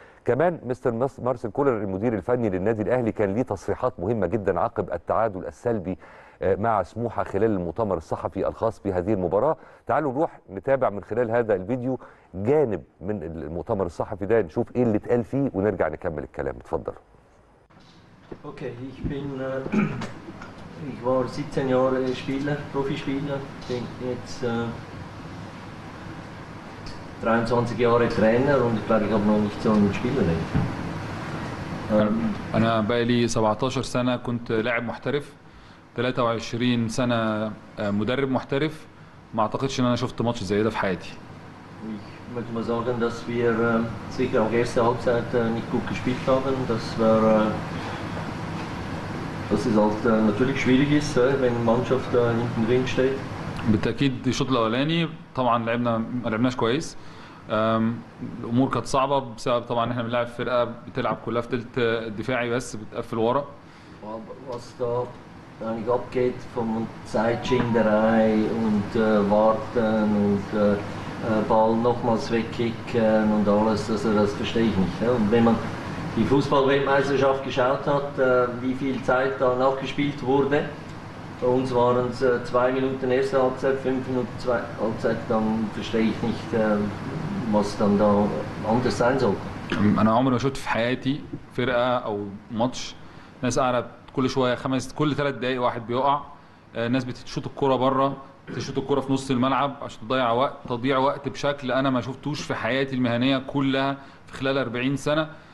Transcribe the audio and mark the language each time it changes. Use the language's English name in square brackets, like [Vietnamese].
[Arabic] كمان مستر مارسيل كولر المدير الفني للنادي الاهلي كان ليه تصريحات مهمه جدا عقب التعادل السلبي مع سموحه خلال المؤتمر الصحفي الخاص بهذه المباراه. تعالوا نروح نتابع من خلال هذا الفيديو جانب من المؤتمر الصحفي ده، نشوف ايه اللي اتقال فيه ونرجع نكمل الكلام. اتفضل. اوكي ايه بين [German] Ich war 17 Jahre Spieler, Profispieler, bin jetzt 23 Jahre Trainer und ich glaube, ich habe noch nicht so einen Spieler. [Arabic] أنا بقى لي 17 سنة كنت لاعب محترف، 23 سنة مدرب محترف، ما أعتقدش إن أنا شفت ماتش زي ده في حياتي. [German] Ich möchte mal sagen, dass wir sicher auch erste Halbzeit nicht gut gespielt haben. Das war Das ist halt natürlich schwierig ist, wenn eine Mannschaft da hinten drin steht. [Arabic] بالتأكيد الشوط الأولاني طبعا لعبنا ما لعبناش كويس. الأمور كانت صعبة بسبب طبعا إن إحنا بنلعب فرقة بتلعب كلها في تلت دفاعي بس بتقفل ورا. [German] Was da eigentlich abgeht von Zeitschinderei und Warten und Ball nochmals wegkicken und alles, also das verstehe ich nicht. Und wenn man die Fußballweltmeisterschaft geschaut hat, wie viel Zeit da nachgespielt wurde. Bei uns waren es 2 Minuten erste Halbzeit, 5 Minuten zweite Halbzeit, dann verstehe ich nicht, was dann da anders sein sollte. [Arabic] أنا عمري ما شفت في حياتي فرقة أو ماتش ناس قاعدة كل شوية كل ثلاث دقايق واحد بيقع، ناس بتشوط الكورة بره، تشوط الكورة في نص الملعب عشان تضيع وقت، تضيع وقت بشكل أنا ما شفتوش في حياتي المهنية كلها في خلال 40 سنة.